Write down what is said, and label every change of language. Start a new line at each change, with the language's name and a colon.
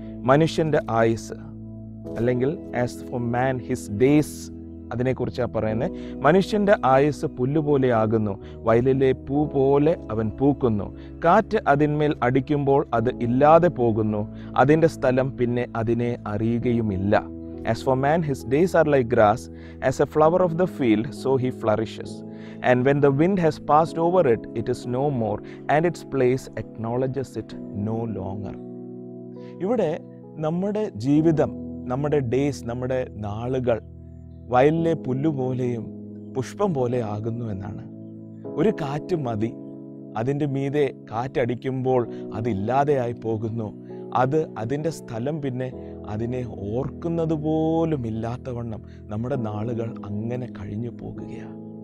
Malayalam: മനുഷ്യൻ്റെ ആയുസ്, അല്ലെങ്കിൽ
English: as for man his days,
Malayalam: അതിനെക്കുറിച്ചാണ് പറയുന്നത്. മനുഷ്യൻ്റെ ആയുസ് പുല്ലുപോലെ ആകുന്നു, വയലിലെ പൂ പോലെ അവൻ പൂക്കുന്നു. കാറ്റ് അതിന്മേൽ അടിക്കുമ്പോൾ അത് ഇല്ലാതെ പോകുന്നു, അതിൻ്റെ സ്ഥലം പിന്നെ അതിനെ അറിയുകയുമില്ല.
English: As for man, his days are like grass, as a flower of the field, so he flourishes. And when the wind has passed over it, it is no more, and its place acknowledges it no longer.
Malayalam: ഇവിടെ നമ്മുടെ ജീവിതം, നമ്മുടെ days, നമ്മുടെ നാളുകൾ വയലിലെ പുല്ലുപോലെയും പുഷ്പം പോലെ ആകുന്നു എന്നാണ്. ഒരു കാറ്റ് മതി, അതിൻ്റെ മീതെ കാറ്റടിക്കുമ്പോൾ അതില്ലാതെയായി പോകുന്നു, അത് അതിൻ്റെ സ്ഥലം പിന്നെ അതിനെ ഓർക്കുന്നത് പോലുമില്ലാത്തവണ്ണം നമ്മുടെ നാളുകൾ അങ്ങനെ കഴിഞ്ഞു പോകുകയാണ്.